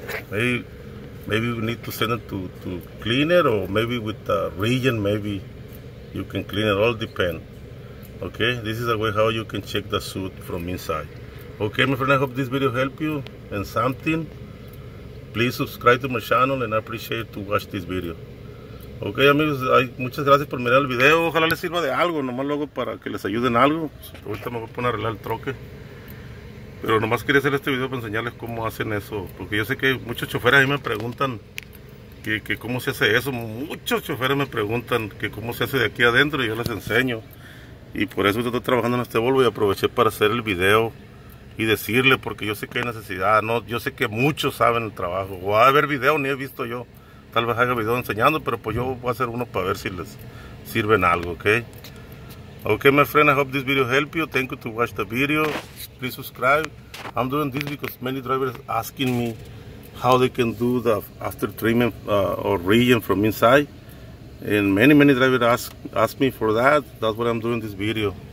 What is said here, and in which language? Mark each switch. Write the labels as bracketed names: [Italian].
[English] Maybe we need to send it to clean it, or maybe with the region, maybe you can clean it. All depends. Okay, this is a way how you can check the suit from inside. Okay, my friend, I hope this video helped you and something. Please subscribe to my channel and I appreciate to watch this video. [Spanish] Okay, amigos, muchas gracias por mirar el video. Ojalá les sirva de algo, nomás luego para que les ayuden algo. Ahorita me voy a poner a arreglar el troque. Pero nomás quería hacer este video para enseñarles cómo hacen eso. Porque yo sé que muchos choferes ahí me preguntan que cómo se hace eso. Muchos choferes me preguntan que cómo se hace de aquí adentro y yo les enseño. Y por eso estoy trabajando en este Volvo y aproveché para hacer el video y decirle, porque yo sé que hay necesidad, ¿no? Yo sé que muchos saben el trabajo. Va a haber video, ni he visto yo. Tal vez haga video enseñando, pero pues yo voy a hacer uno para ver si les sirven algo, ¿ok? [English] Ok, my friend, I hope this video helped you. Thank you to watch the video. Please subscribe. I'm doing this because many drivers asking me how they can do the after treatment or regen from inside. And many drivers ask me for that. That's what I'm doing this video.